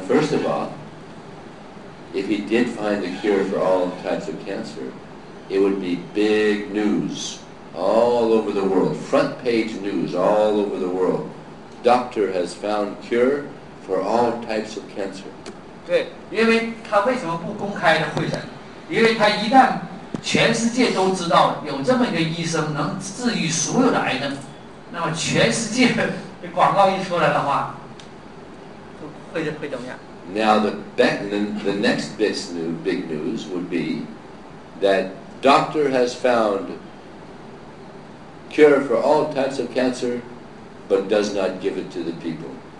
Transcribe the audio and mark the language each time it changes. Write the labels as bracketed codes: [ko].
[en] first of all, if he did find the cure for all types of cancer, it would be big news all over the world, front page news all over the world. Doctor has found cure for all types of cancer. [zh] 对，因为他为什么不公开的会诊？因为他一旦全世界都知道有这么一个医生能治愈所有的癌症，那么全世界的广告一出来的话，会怎么样？ [en] Now the next best new big news would be that doctor has found cure for all types of cancer, but does not give it to the people.